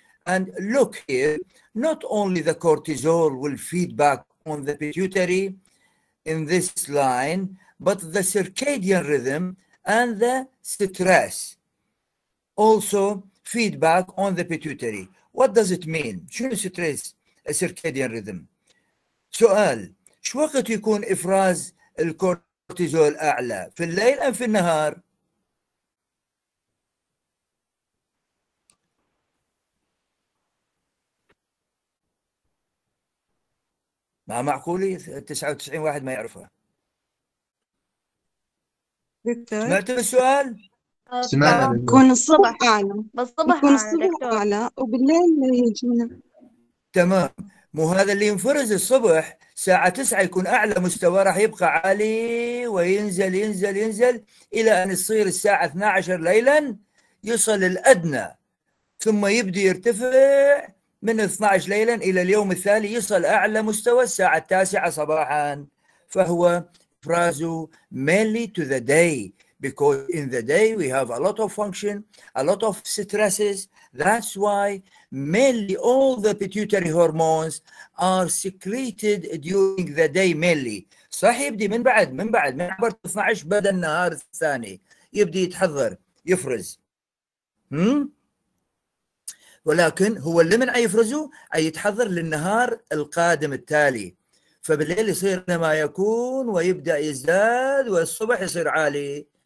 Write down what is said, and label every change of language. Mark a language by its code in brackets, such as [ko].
[en] And look here, not only the cortisol will feed back on the pituitary in this line, but the circadian rhythm and the stress also feedback on the pituitary. What does it mean? [ar] شنو [en] stress circadian rhythm؟ [ar] سؤال. شو وقت يكون إفراز الكورتيزول أعلى؟ في الليل أم في النهار؟ ما معقولي 99 واحد ما يعرفها. دكتور سمعت السؤال؟ يكون الصبح أعلى. يكون الصبح أعلى وبالليل ما يجينا. تمام. مو هذا اللي ينفرز الصبح ساعة 9 يكون أعلى مستوى، راح يبقى عالي وينزل ينزل ينزل إلى أن يصير الساعة 12 ليلا يصل الأدنى، ثم يبدي يرتفع من 12 ليلا إلى اليوم الثاني يصل أعلى مستوى الساعة 9 صباحا. فهو فرازو [en] mainly to the day, because in the day we have a lot of function, a lot of stresses. That's why mainly all the pituitary hormones are secreted during the day mainly. [ar] صح يبدي من بعد من عبر 12 بدا النهار الثاني يبدي يتحضر يفرز. ولكن هو اللي من يفرزه أي يتحضر للنهار القادم التالي. فبالليل يصير ما يكون ويبدأ يزداد والصبح يصير عالي.